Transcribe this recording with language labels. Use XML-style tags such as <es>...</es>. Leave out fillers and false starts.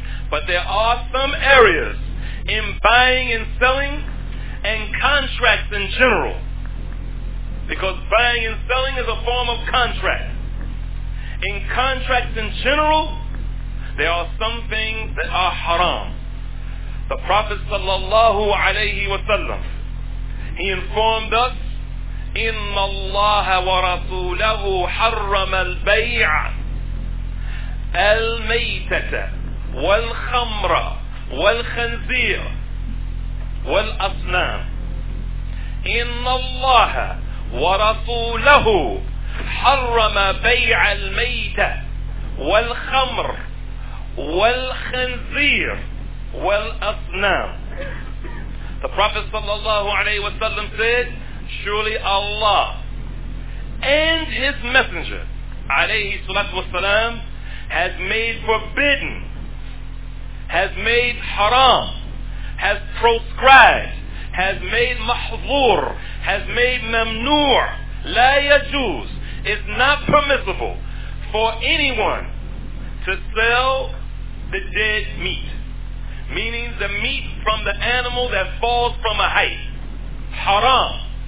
<en>But there are some areas in buying and selling and contracts in general. Because buying and selling is a form of contract. In contracts in general, there are some things that are haram. The Prophet sallallahu alayhi wa sallam, he informed us,</en> <ar>إِنَّ اللَّهَ وَرَسُولَهُ حَرَّمَ الْبَيْعَ الْمَيْتَةَ وَالْخَمْرَ وَالْخَنْزِيرَ وَالْأَصْنَامِ إِنَّ اللَّهَ وَرَسُولَهُ حَرَّمَ بَيْعَ الْمَيْتَةَ وَالْخَمْرَ والخنزير والأصنام.</ar> <en>The Prophet sallallahu alayhi wa sallam said, surely Allah and His Messenger alayhi salatu wa sallam has made forbidden, has made haram, has proscribed, has made mahzur, has made mamnu', la yajuz, it's not permissible for anyone to sell the dead meat, meaning the meat from the animal that falls from a height. Haram.</en>